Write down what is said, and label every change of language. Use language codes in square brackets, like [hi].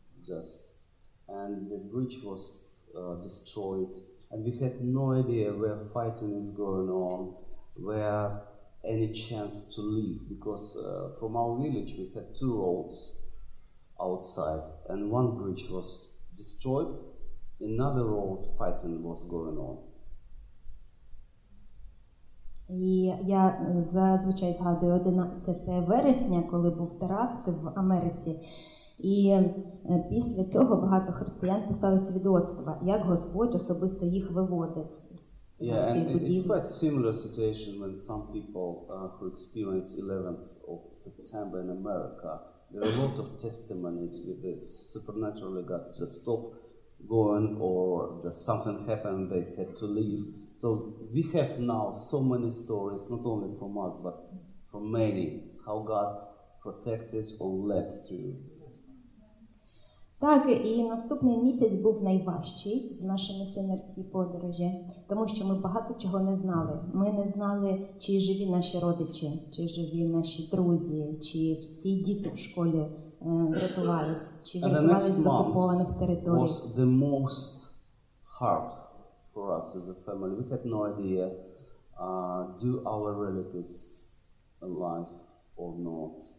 [en] Just and the bridge was destroyed, and we had no idea where fighting is going on, where any chance to leave, because from our village we had 2 roads outside, and 1 bridge was destroyed, another road fighting was going on. [uk] І я зазвичай згадую 11 вересня, коли був теракт в Америці. І після цього багато християн писали свідоцтва, як Господь особисто їх виводив. [en] Yeah, and it's quite similar situation when some people who experienced 11th of September in America, there are a lot of testimonies with this supernaturally got to stop going or just something happened, they had to leave. So we have now so many stories, not only from us, but from many, how God protected or led through. [uk] Так, і наступний місяць був найважчий в нашій місіонерській подорожі, тому що ми багато чого не знали. Ми не знали, чи живі наші родичі, чи живі наші друзі, чи всі діти в школі рятувались, чи рятувались з окупованих територій. [en] Was the most hard for us as a family. We had no idea do our relatives alive or not.